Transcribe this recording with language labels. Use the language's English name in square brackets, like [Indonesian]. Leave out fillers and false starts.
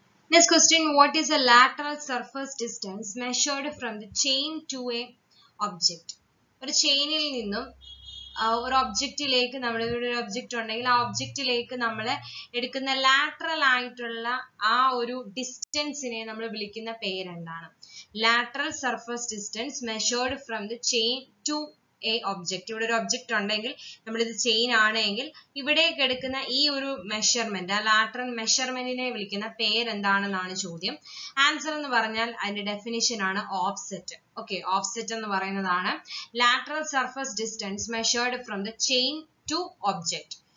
[English] Next question, what is the lateral surface distance measured from the chain to a object? [Malayalam] ഒരു ചെയിനിൽ നിന്നും ഒരു ഒബ്ജക്റ്റിലേക്ക്, നമ്മുടെ ഇവിടെ ഒരു ഒബ്ജക്റ്റ് ഉണ്ടെങ്കിൽ ആ ഒബ്ജക്റ്റിലേക്ക് നമ്മൾ എടുക്കുന്ന ലാറ്ററൽ ആയിട്ടുള്ള ആ ഒരു ഡിസ്റ്റൻസിനെ നമ്മൾ വിളിക്കുന്ന പേരെന്താണ്? [English] Lateral surface distance measured from the chain to a object. [Malayalam] ഇവിടെ ഒരു ഒബ്ജക്റ്റ് ഉണ്ടെങ്കിൽ, നമ്മളിത് ചെയിൻ ആണെങ്കിൽ ഇവിടേക്ക് എടുക്കുന്ന ഈ ഒരു മെഷർമെന്റ്, ആ ലാറ്ററൽ മെഷർമെന്റിനെ വിളിക്കുന്ന പേരെന്താണെന്നാണ് ചോദ്യം. ആൻസർ എന്ന് പറഞ്ഞാൽ അതിന്റെ ഡെഫിനിഷൻ ആണ് ഓഫ്സെറ്റ്. ഓക്കെ, ഓഫ്സെറ്റ് എന്ന് പറയുന്നതാണ് [English] Lateral surface distance measured from the chain to object.